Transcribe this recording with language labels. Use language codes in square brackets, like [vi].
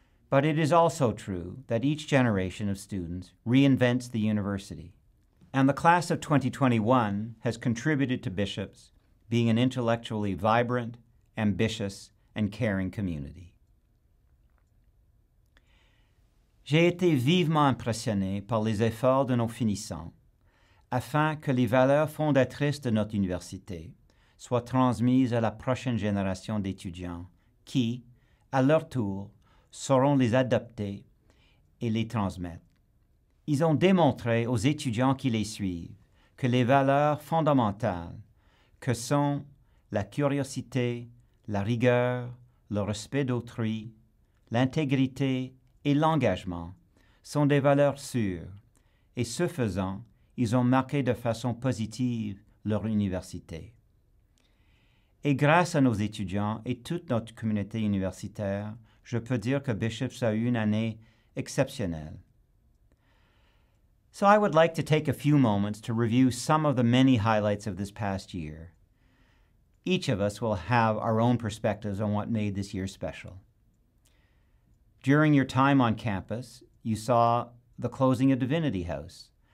[en] But it is also true that each generation of students reinvents the university. And the class of 2021 has contributed to Bishops being an intellectually vibrant, ambitious, and caring community. [fr] J'ai été vivement impressionné par les efforts de nos finissants afin que les valeurs fondatrices de notre université soit transmise à la prochaine génération d'étudiants qui, à leur tour, sauront les adapter et les transmettre. Ils ont démontré aux étudiants qui les suivent que les valeurs fondamentales que sont la curiosité, la rigueur, le respect d'autrui, l'intégrité et l'engagement sont des valeurs sûres et ce faisant, ils ont marqué de façon positive leur université. Et grâce à nos étudiants et toute notre communauté universitaire, je peux dire que Bishops a eu une année exceptionnelle. [en] So I would like to take a few moments to review some of the many highlights of this past year. Each of us will have our own perspectives on what made this year special. During your time on campus, you saw the closing of Divinity House.